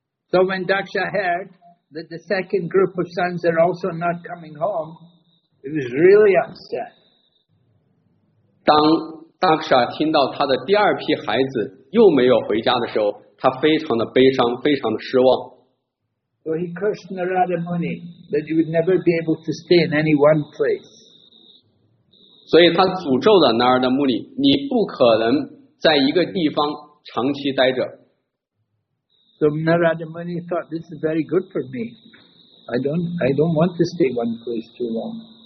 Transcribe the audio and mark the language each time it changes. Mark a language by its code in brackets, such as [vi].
[en] So when Daksha heard that the second group of sons are also not coming home, he was really upset. [zh] 当 Daksha 听到他的第二批孩子又没有回家的时候，他非常的悲伤，非常的失望。 [en] So he cursed Narada Muni that he would never be able to stay in any one place. [zh] 所以他诅咒了 Narada Muni， 你不可能在一个地方长期待着。 [en] So Narada Muni thought this is very good for me. I don't want to stay one place too long.